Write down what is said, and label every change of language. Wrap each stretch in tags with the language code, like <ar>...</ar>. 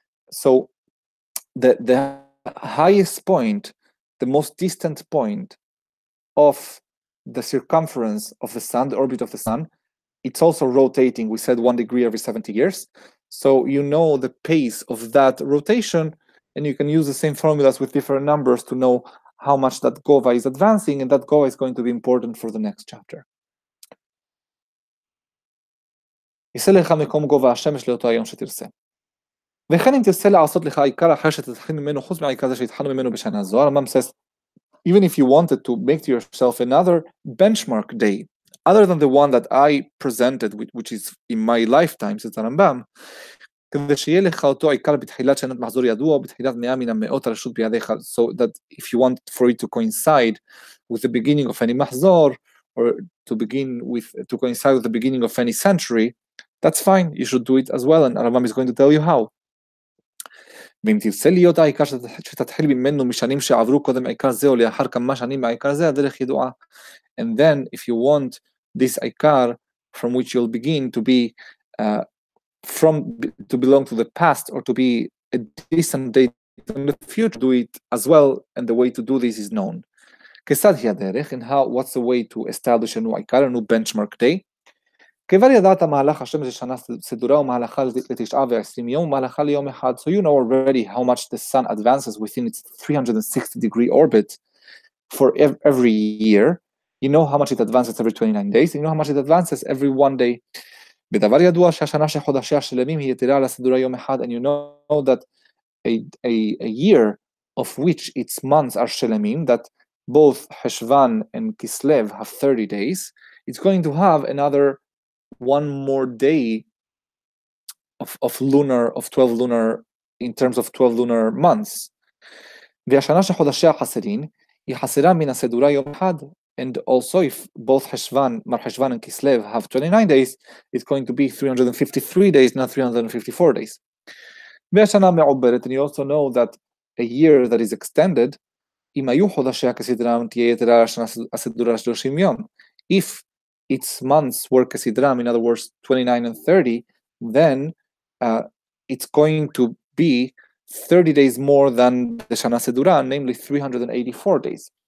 <en>So the highest point, the most distant point of the circumference of the sun, the orbit of the sun, it's also rotating. We said 1 degree every 70 years. So you know the pace of that rotation, and you can use the same formulas with different numbers to know how much that Gova is advancing, and that Gova is going to be important for the next chapter.</en> <he>יישא לך מקום גובה השמש לאותו היום שתרצה. וכן אם תרצה לעשות לך העיקר אחר שתתחיל ממנו חוץ מהעיקר הזה שהתחלנו ממנו בשנה זו, הרמב"ם says,</he> <en>even if you wanted to make to yourself another benchmark day, other than the one that I presented, which is in my lifetime, says הרמב"ם,</en> <he>כדי שיהיה לך אותו העיקר בתחילת שנת מחזור ידוע, או בתחילת מאה מן המאות הרשות בידיך,</he> <en>so that if you want for it to coincide with the beginning of any מחזור, or to begin with, to coincide with the beginning of any century, that's fine, you should do it as well, and Arambam is going to tell you how.</en> <he>ואם תרצה להיות העיקר שתתחיל ממנו משנים שעברו קודם העיקר זה, או לאחר כמה שנים מהעיקר זה, הדרך ידועה.</he> <en>And then, if you want this העיקר from which you'll begin to be from to belong to the past or to be a decent date in the future, do it as well, and the way to do this is known.</en> <he>כיצד היא הדרך,</he> <en>and how, what's the way to establish a new העיקר, a new benchmark day?</en> <he>כבר ידעת מהלך השמש לשנה סדורה ומהלכה לתשעה ועשרים יום ומהלכה ליום אחד,</he> <en>so you know already how much the sun advances within its 360 degree orbit for every year, you know how much it advances every 29 days, you know how much it advances every one day.</en> <he>בדבר ידוע שהשנה שחודשיה שלמים היא יתרה על הסדורה יום אחד,</he> <en>and you know that a year of which its months are שלמים, that both Heshvan and Kislev have 30 days, it's going to have another one more day of lunar of 12 lunar in terms of 12 lunar months.</en> <he>והשנה שחודשיה חסרין היא חסרה מן הסדורה יום אחד,</he> <en>and also if both Heshvan, Mar Heshvan and Kislev have 29 days, it's going to be 353 days, not 354 days.</en> <he>והשנה מעוברת,</he> <en>and you also know that a year that is extended,</en> <he>אם היו חודשיה כסדרם תהיה יתרה על השנה הסדורה 30 יום.</he> <en>If its months were kesidram, in other words, 29 and 30, then it's going to be 30 days more than the Shana Sedura, namely 384 days.</en>